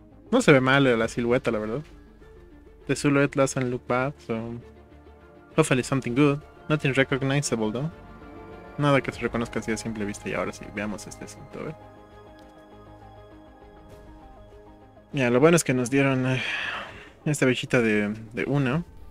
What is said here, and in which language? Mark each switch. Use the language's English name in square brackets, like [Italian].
[Spanish] No se ve mal la silueta, la verdad. [English] The silhouette doesn't look bad, so hopefully something good. Nothing recognizable, though. [Spanish] Nada que se reconozca así a simple vista. Y ahora sí, veamos este asunto, a ver. Mira, lo bueno es que nos dieron esta bichita de una.